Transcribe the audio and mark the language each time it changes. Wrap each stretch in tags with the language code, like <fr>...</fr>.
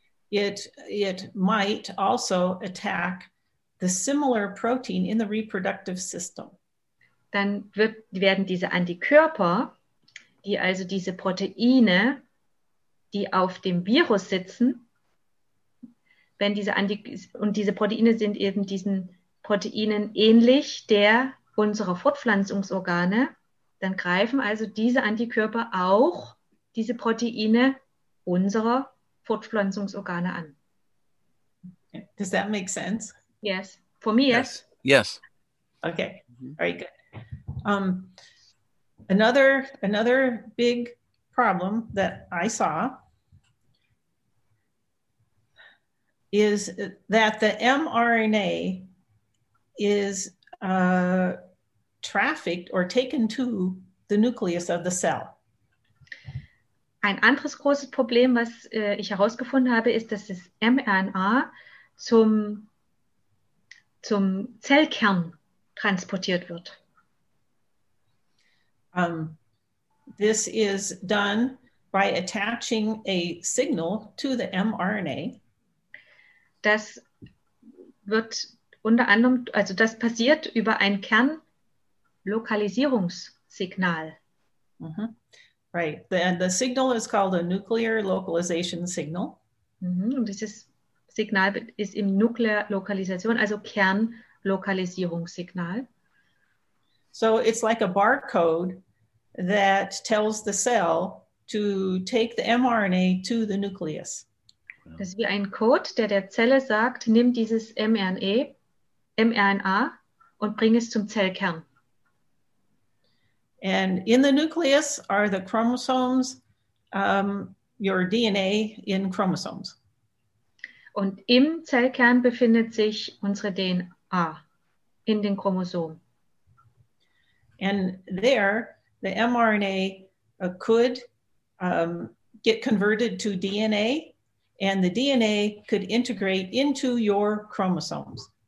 <en>It might also attack the similar protein in the reproductive system.</en> <de>Dann werden diese Antikörper, die also diese Proteine, die auf dem Virus sitzen, wenn diese und diese Proteine sind eben diesen Proteinen ähnlich der unserer Fortpflanzungsorgane, dann greifen also diese Antikörper auch diese Proteine unserer Fortpflanzungsorgane an.</de> <en>Does that make sense? Yes. For me, yes. Yes. Okay. Very good. Another big problem that I saw is that the mRNA is trafficked or taken to the nucleus of the cell.</en> <de>Ein anderes großes Problem, was ich herausgefunden habe, ist, dass das mRNA zum Zellkern transportiert wird.</de> <en>This is done by attaching a signal to the mRNA.</en> <de>Das wird unter anderem, also das passiert über ein Kernlokalisierungssignal. Mm-hmm. Right.</de> <en>The signal is called a nuclear localization signal. Mm-hmm.</en> <de>Und dieses Signal ist im Nuklearlokalisation, also Kernlokalisierungssignal.</de> <en>So it's like a barcode that tells the cell to take the mRNA to the nucleus.</en> <de>Das ist wie ein Code, der Zelle sagt, nimm dieses mRNA und bring es zum Zellkern.</de> <en>And in the nucleus are the chromosomes, your DNA in chromosomes.</en> <de>Und im Zellkern befindet sich unsere DNA in den Chromosomen.</de> <en>And there, the mRNA could get converted to DNA, and the DNA could integrate into your chromosomes.</en>